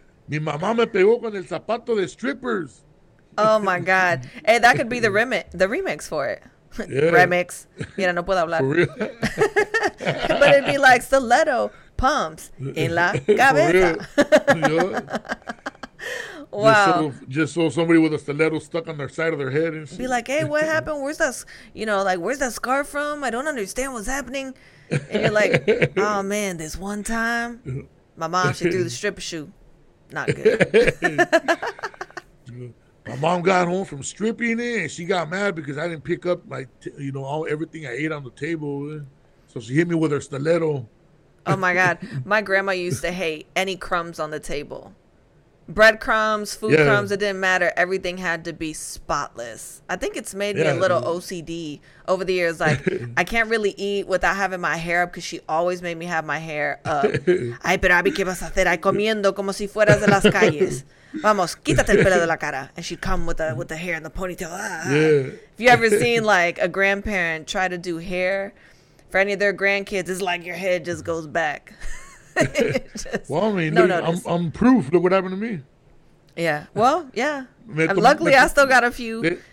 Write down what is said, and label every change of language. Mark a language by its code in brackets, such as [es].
[es] Mi mamá me pegó con el zapato de strippers. [en] Oh, my God. Hey, that could be the remix for it. Yeah. [es] Remix. Mira, no puedo hablar. [en] For real? But it'd be like Stiletto Pumps in [es] la Cabeza. [en] For real? Wow. Just so somebody with a stiletto stuck on their side of their head and be like, hey, what happened? Where's that, you know, like, where's that scar from? I don't understand what's happening. And you're like, oh, man, this one time, my mom, she threw the stripper shoe. Not good. My mom got home from stripping it, and she got mad because I didn't pick up, everything I ate on the table. So she hit me with her stiletto. Oh, my God. My grandma used to hate any crumbs on the table. Breadcrumbs, food crumbs, it didn't matter. Everything had to be spotless. I think it's made me a little OCD over the years. Like, I can't really eat without having my hair up because she always made me have my hair up. [es] Ay, pero Abby, ¿qué vas a hacer? Ay, comiendo como si fueras de las calles. Vamos, quítate el pelo de la cara. [en] And she'd come with the hair and the ponytail. Ah. Yeah. If you ever seen, like, a grandparent try to do hair, for any of their grandkids, it's like your head just goes back. Well, I mean, no, I'm proof. Look what happened to me. Yeah. Well, yeah. Luckily, I still got a few.